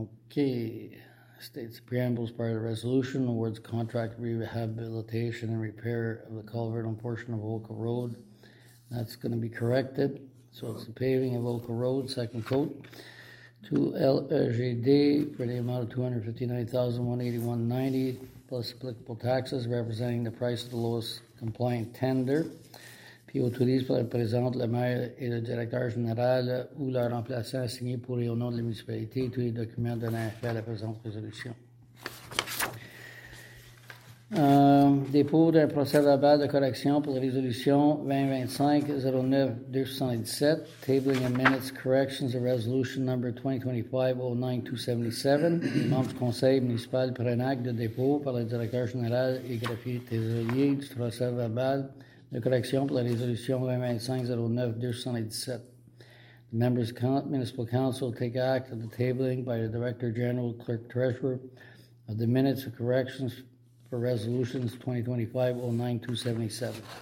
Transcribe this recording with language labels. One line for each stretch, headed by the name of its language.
English: Okay, states the preamble is part of the resolution, awards contract rehabilitation and repair of the culvert on portion of Oka Road. That's going to be corrected. So it's the paving of Oka Road, second coat, to LGD for the amount of $259,181.90 plus applicable taxes representing the price of the lowest compliant tender.
French: Puis autorise pour la présente le maire et le directeur général ou leur remplaçant signé pour et au nom de la municipalité tous les documents donnant effet à la présente résolution. Dépôt d'un procès verbal de correction pour la résolution 2025-09-277,
English: tabling and minutes corrections of resolution number 2025-09-277,
French: membre du conseil municipal prenant acte de dépôt par le directeur général et greffier thésaurier du procès verbal. De correction pour la résolution 2025-09-277.
English: The members of municipal council take act of the tabling by the director general clerk treasurer of the minutes of corrections for resolutions 2025-09-277.